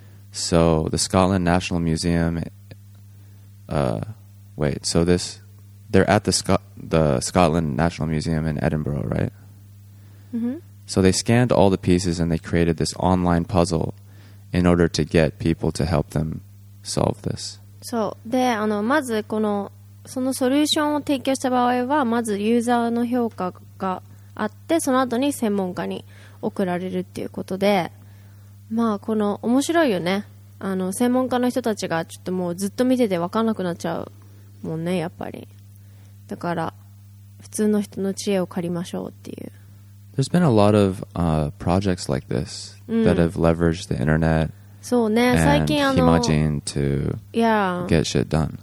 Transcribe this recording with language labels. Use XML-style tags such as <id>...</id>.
<en>So the Scotland National Museum, they're at the Scotland National Museum in Edinburgh, right? Mm-hmm. So they scanned all the pieces and they created this online puzzle in order to get people to help them solve this.</en> <ja>そう。で、まずこの、そのソリューションを提供した場合は、まずユーザーの評価があって、その後に専門家に送られるっていうことで、この、面白いよね。専門家の人たちがちょっともうずっと見てて分かんなくなっちゃうもんね、やっぱり。だから、普通の人の知恵を借りましょうっていう。</ja> <en>There's been a lot of projects like this that have leveraged the internet and Himajin to get shit done.</en>